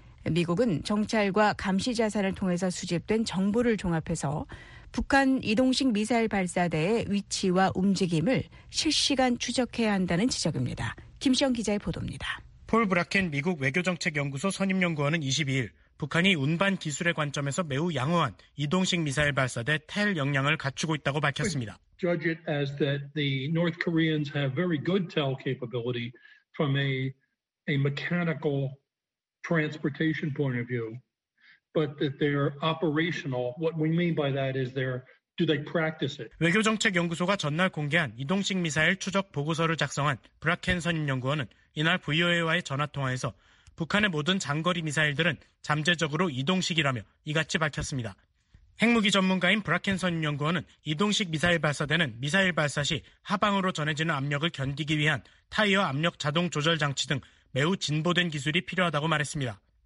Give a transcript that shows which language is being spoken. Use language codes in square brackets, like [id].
[ko] 미국은 정찰과 감시 자산을 통해서 수집된 정보를 종합해서 북한 이동식 미사일 발사대의 위치와 움직임을 실시간 추적해야 한다는 지적입니다. 김시영 기자의 보도입니다. 폴 브라켄 미국 외교정책연구소 선임연구원은 22일 북한이 운반 기술의 관점에서 매우 양호한 이동식 미사일 발사대 텔 역량을 갖추고 있다고 밝혔습니다. [en] Judge it as that the North Koreans have very good tel capability from a mechanical transportation point of view, but that they're operational. What we mean by that is they're do they practice it? [ko] 외교정책연구소가 전날 공개한 이동식 미사일 추적 보고서를 작성한 브라켄 선임연구원은 이날 VOA와의 전화 통화에서 북한의 모든 장거리 미사일들은 잠재적으로 이동식이라며 이같이 밝혔습니다. 핵무기 전문가인 브라켄 선임연구원은 이동식 미사일 발사대는 미사일 발사 시 하방으로 전해지는 압력을 견디기 위한 타이어 압력 자동 조절 장치 등 매우 진보된 기술이 필요하다고 말했습니다.